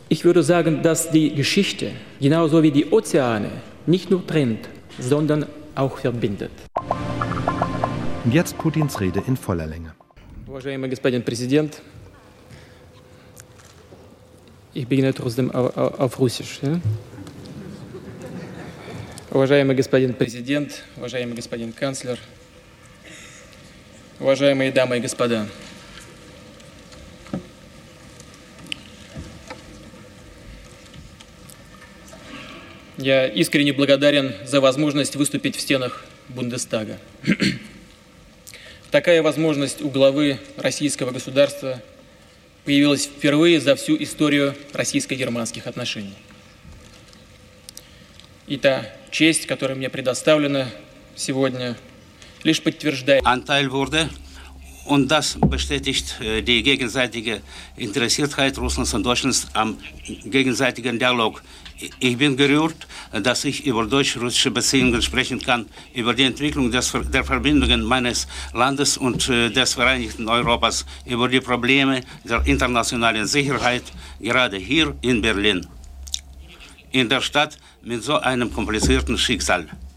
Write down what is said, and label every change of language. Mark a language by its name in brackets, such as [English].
[German] Ich würde sagen, dass die Geschichte, genauso wie die Ozeane, nicht nur trennt, sondern auch verbindet. Und jetzt Putins Rede in voller Länge. [Russian] Уважаемый господин Президент, [German] ich beginne trotzdem auf Russisch. Ja? [Russian] Уважаемый господин Президент, уважаемый господин Канцлер, уважаемые дамы и господа, я искренне благодарен за возможность выступить в стенах Бундестага. Такая возможность у главы российского государства появилась впервые за всю историю российско-германских отношений. И та честь, которая мне предоставлена сегодня, лишь подтверждает... [German] Anteil wurde und das bestätigt die gegenseitige Interessiertheit Russlands und Deutschlands am gegenseitigen Dialog. Ich bin gerührt, dass ich über deutsch-russische Beziehungen sprechen kann, über die Entwicklung der Verbindungen meines Landes und des Vereinigten Europas, über die Probleme der internationalen Sicherheit, gerade hier in Berlin, in der Stadt mit so einem komplizierten Schicksal.